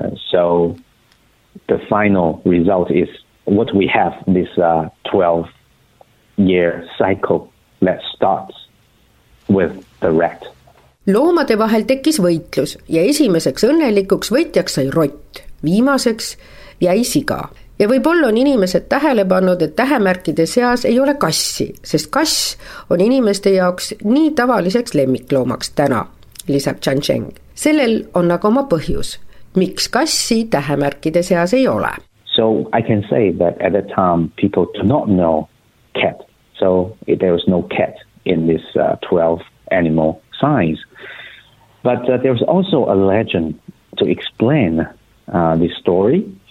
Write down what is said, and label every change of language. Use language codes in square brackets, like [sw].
[en] So the final result is what we have this 12 year cycle that starts with the rat. [et] Loomade vahel tekkis võitlus ja esimeseks õnnelikuks võitjaks sai rott, viimaseks jäi siga. Ja võib-olla on inimesed tähele pannud, et tähemärkide seas ei ole kassi, sest kass on inimeste jaoks nii tavaliseks lemmikloomaks täna, lisab Chan Cheng. Sellel on aga oma põhjus, miks kassi tähemärkide seas ei ole. [en] So I can say that at the time people do not know cat. So there was no cat in this 12 animal signs. But there was also a legend to explain this story.